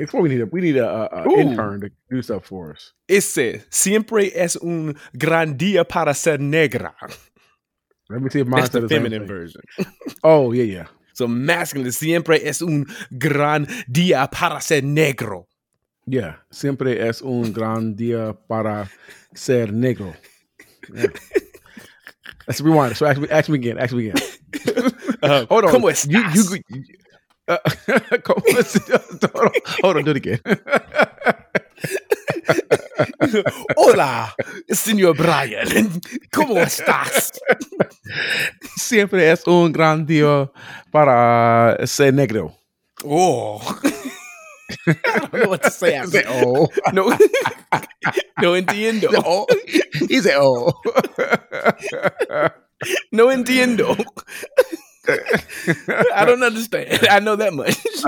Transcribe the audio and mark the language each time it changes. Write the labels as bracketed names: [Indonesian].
[English] Before we need an intern to do stuff for us. It says, [Spanish] siempre es un gran día para ser negra. [English] Let me see if mine says the feminine version. Oh, yeah. So masculine, [Spanish] siempre es un gran día para ser negro. [English] Yeah, [Spanish] siempre es un gran día para ser negro. [English] Yeah. Let's rewind. So ask me again. Hold on. [Spanish] ¿Cómo estás? ¿Cómo estás? [English] Hold on, do it again. [Spanish] Hola, señor Brian. ¿Cómo estás? Siempre es un gran día para ser negro. [English] Oh. I don't know what to say. Is it oh? [Spanish] No. No entiendo. [English] Is it oh? [Spanish] No entiendo. [English] I don't understand. I know that much.